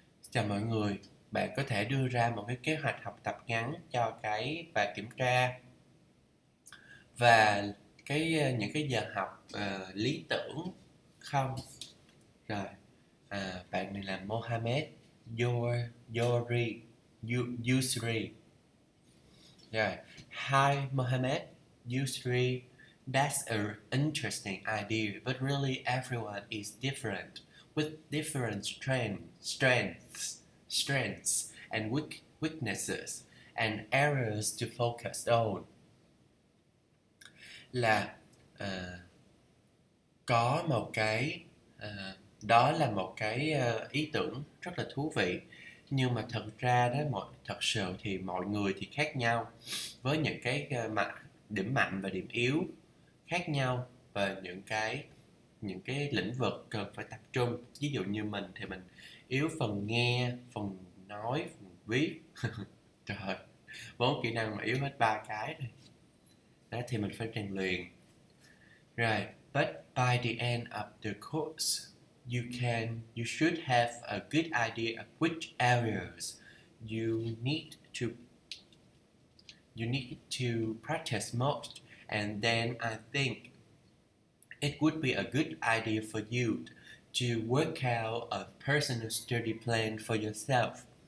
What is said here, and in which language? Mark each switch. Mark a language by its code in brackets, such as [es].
[vi] Chào mọi người, bạn có thể đưa ra một cái kế hoạch học tập ngắn cho cái bài kiểm tra và cái những cái giờ học lý tưởng không? Rồi, bạn này là Mohamed Yusri. [en] Yeah. Hi Mohamed Yusri, that's an interesting idea, but really everyone is different with different strengths and weaknesses and areas to focus on. [vi] Là có một cái đó là một cái ý tưởng rất là thú vị. Nhưng mà thật ra đó, thật sự thì mọi người thì khác nhau với những cái mặt điểm mạnh và điểm yếu khác nhau và những cái lĩnh vực cần phải tập trung. Ví dụ như mình thì mình yếu phần nghe, phần nói, phần viết. Trời, bốn kỹ năng mà yếu hết ba cái rồi. Đó thì mình phải rèn luyện. [en] Rồi, but by the end of the course you should have a good idea of which areas you need to practice most, and then I think it would be a good idea for you to work out a personal study plan for yourself.